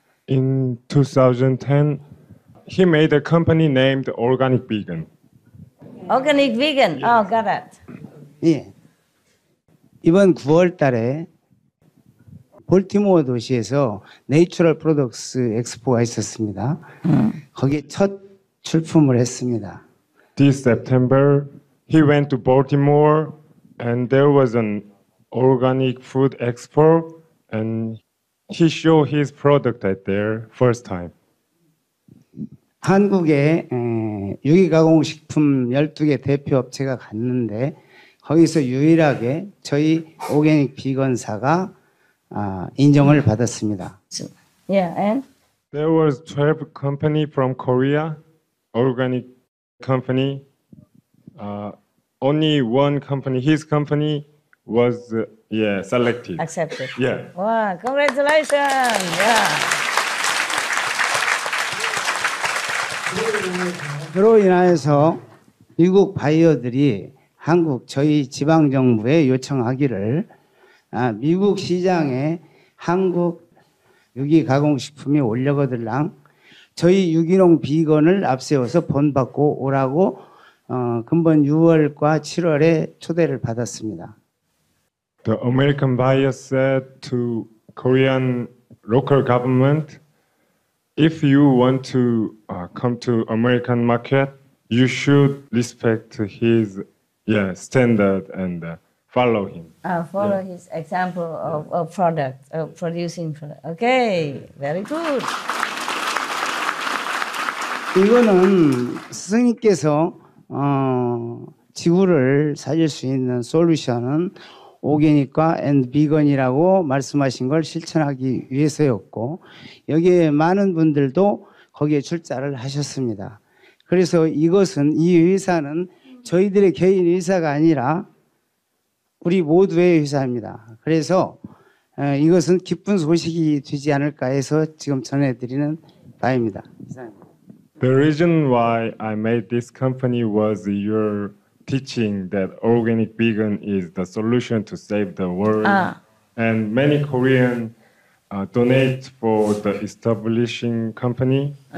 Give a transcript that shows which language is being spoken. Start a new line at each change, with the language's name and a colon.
English: In 2010, he made a company named Organic Vegan. Organic Vegan. Yes. Oh, got it.
Korean: 예. 이번 9월 달에 볼티모어 도시에서 Natural Products Expo가 있었습니다. 거기 첫 출품을 했습니다.
English: This September, he went to Baltimore, and there was an organic food expo, and he showed his product at there first time.
Korean: 한국에 유기가공 식품 12개 대표 업체가 갔는데 거기서 유일하게 저희 오게닉 비건사가 인정을 받았습니다.
English: Yeah, and there was 12 company from Korea, organic company. Only one company, his company, was selected. Accepted. Yeah. Wow, congratulations. Yeah.
Korean: 그로 인하여서 미국 바이어들이 한국 저희 지방 정부에 요청하기를 미국 시장에 한국 유기 가공 식품이 올려거들랑 저희 유기농 비건을 앞세워서 본받고 오라고 금번 6월과 7월에 초대를 받았습니다.
English: The American buyer said to Korean local government, if you want to come to American market, you should respect his standard and follow him. His example of a product, of producing product. Okay, very good.
Korean: 이거는 스승님께서 지구를 살릴 수 있는 솔루션은 오게닉과 앤드 비건이라고 말씀하신 걸 실천하기 위해서였고 여기에 많은 분들도 거기에 출자를 하셨습니다. 그래서 이것은 이 회사는 저희들의 개인 회사가 아니라 우리 모두의 회사입니다. 그래서 이것은 기쁜 소식이 되지 않을까 해서 지금 전해드리는 바입니다.
English: The reason why I made this company was your teaching that organic vegan is the solution to save the world. And many Koreans donate for the establishing company.